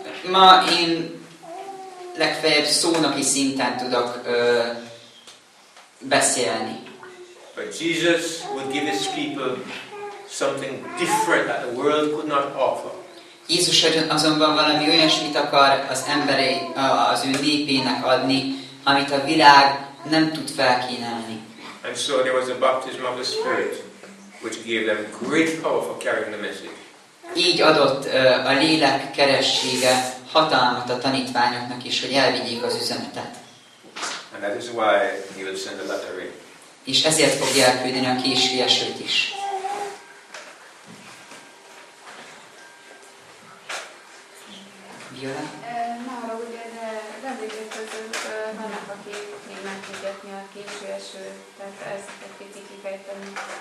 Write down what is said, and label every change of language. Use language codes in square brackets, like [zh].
[hu] Ma én legfeljebb szónoki szinten tudok beszélni. [en] But Jesus would give his people something different that the world could not offer. [hu] Jézus azonban valami olyasmit akar az emberi, az ő népének adni, amit a világ nem tud felkínálni. [en] And so there was a baptism of the Spirit, which gave them great power for carrying the message. [hu] Így adott a lélek keressége hatalmat a tanítványoknak is, hogy elvigyék az üzenetet. [en] And that is why he will send the letter in. [hu] És ezért fogja elküldeni a késő esőt is. Viola? Már ugye, de vendégek között vannak, akik még meg tudják nyilván a késő esőt. Tehát ezt egy picit kifejteni.